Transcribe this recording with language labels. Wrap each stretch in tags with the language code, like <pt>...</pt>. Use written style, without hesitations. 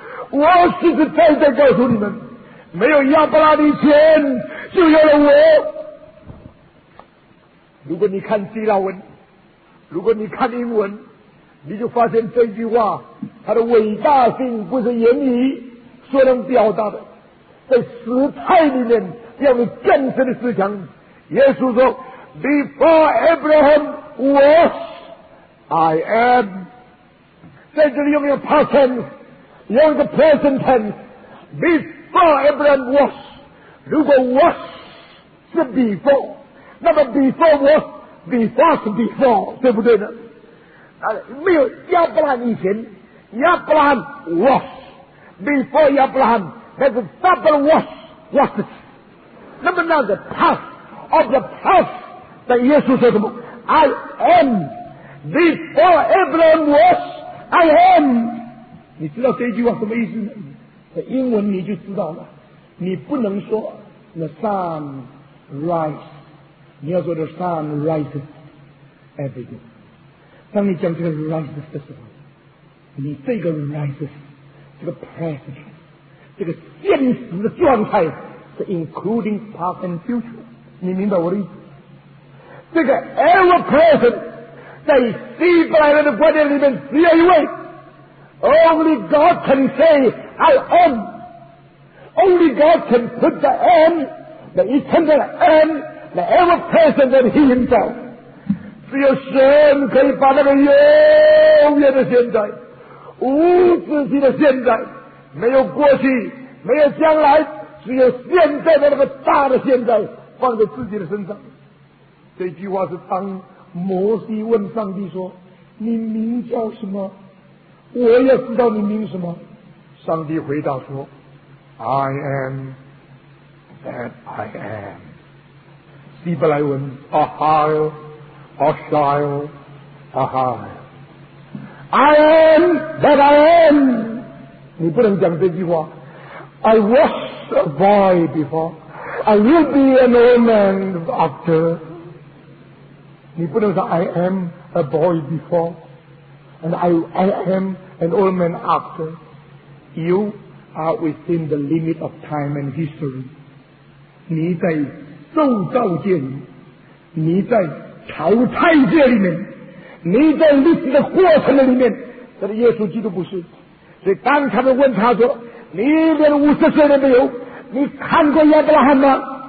<zh>我实实在在告诉你们，没有亚伯拉罕以前就有了我。如果你看希腊文，如果你看英文，你就发现这句话它的伟大性不是言语所能表达的，在时态里面要有更深的思想。耶稣说</zh> <en>Before Abraham was I am，</en> <zh>在这里用一个 past tense， 用一个 present tense。</zh> <en>Before Abraham was， 如果 was 是 before， 那么 before wasBefore 是 before， 对不对呢？</en> <zh>没有亚伯拉罕以前，亚伯拉罕 was before 亚伯拉罕，那个 double was was， 那么那个 past of the past， 但耶稣说什么 ？</zh> <en>I am before Abraham was I am。</en> <zh>你知道这句话什么意思呢？在英文你就知道了，你不能说</zh> <en>the sun rise。你要说 the sun rises everything。</en> <zh>当你讲这个 rises 的时候，你这个 rises 这个 present 这个现实的状态</zh> <en>including past and future.</en> <zh>你明白我的意思？这个 ever present 在希伯来人的观念里面只有一位。</zh> <en>Only God can say I am. Only God can put the am, the eternal am, the ever present in himself.</en> <zh>只有神可以把那个永远的现在、无止息的现在、没有过去、没有将来、只有现在的那个大的现在放在自己的身上。这句话是当摩西问上帝说，你名叫什么？我也知道你名什么。上帝回答说，</zh> <en>I am that I am.</en> <zh>希伯来文 Ahal Ashal Ahal.</zh> <en>I am that I am.</en> <zh>你不能讲这句话。</zh> <en>I was a boy before, I will be an old man after. 你不能说 I am a boy before and I amAn old man after, you are within the limit of time and history.</en> <zh>你在受造界里，你在淘汰界里面，你在历史的过程的里面，这是耶稣基督不是。所以当他们问他说，你连五十岁都没有，你看过亚伯拉罕吗？</zh>